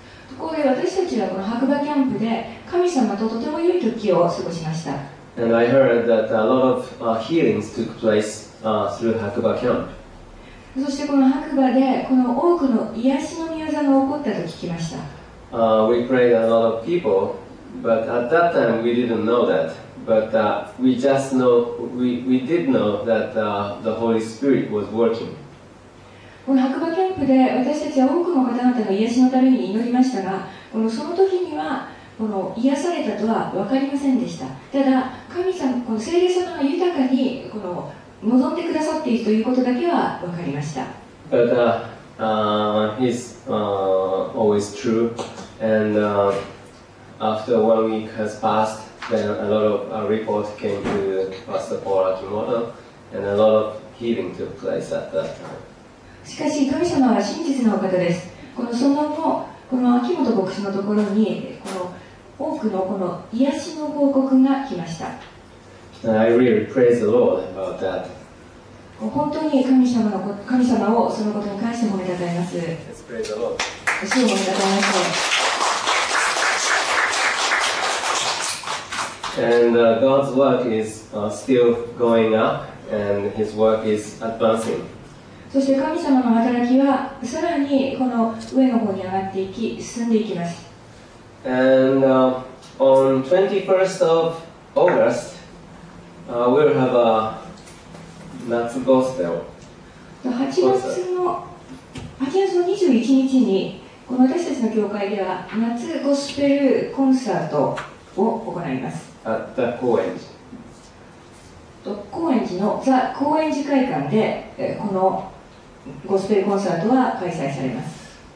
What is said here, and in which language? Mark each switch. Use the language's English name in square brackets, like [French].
[Japanese] ところで私たちはこの白馬キャンプで神様ととても良い時を過ごしました。 [English] And I heard that a lot of healings took place through Hakuba camp. [Japanese] そしてこの白馬でこの多くの癒しの御業が起こったと聞きました。 [English] We prayed a lot of people, but at that time we didn't know that. But we did know that the Holy Spirit was working. [Japanese] この白馬キャンプで私たちは多くの方々の癒しのために祈りましたが、このその時にはこの癒されたとは分かりませんでした。ただ神様、この聖霊様が豊かにこの望んでくださっているということだけは分かりました。 [English] But he's always true. And after 1 week has passed, then a lot of reports came to Pastor Paul Akimoto, and a lot of healing took place at that time. [Japanese] しかし神様は真実なお方です。このその後、この秋元牧師のところにこの多くのこの癒しの報告が来ました。 [English] I really praise the Lord about that. [Japanese] 本当に神様をそのことに関して褒めたたえます。 [English] Let's praise the Lord. [Japanese] 主を褒めたたえましょう。 [English] And God's work is still going up, and His work is advancing. [Japanese] そして神様の働きはさらにこの上の方に上がっていき進んでいきます。 [English] And on 21st of August, we'll have a 夏ゴスペル。 [Japanese] 8月21日にこの私たちの教会では夏ゴスペルコンサートを行います。 [English] At the 高円寺。 [Japanese] 高円寺のザ高円寺会館でこのゴスペルコンサートは開催されます。